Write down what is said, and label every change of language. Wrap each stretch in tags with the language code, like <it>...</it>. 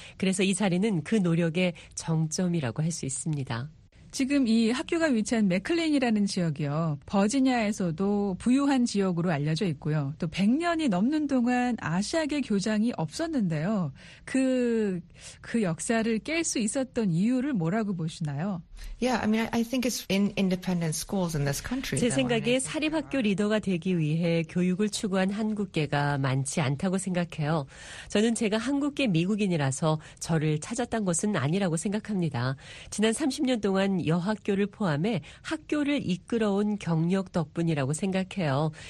<ko>그래서 이 자리는 그 노력의 정점이라고 할 수 있습니다. 지금 이 학교가 위치한 맥클린이라는 지역이요. 버지니아에서도 부유한 지역으로 알려져 있고요. 또 100년이 넘는 동안 아시아계 교장이 없었는데요. 그 역사를 깰 수 있었던 이유를 뭐라고 보시나요?</ko> <en>Yeah, I mean, I think it's in independent schools in this country.</en> <ko>제 생각에 사립학교 리더가 되기 위해 교육을 추구한 한국계가 많지 않다고 생각해요. 저는 제가 한국계 미국인이라서 저를 찾았던 것은 아니라고 생각합니다. 지난 30년 동안 여학교를 포함해 학교를 이끌어온 경력 덕분이라고 생각해요.</ko>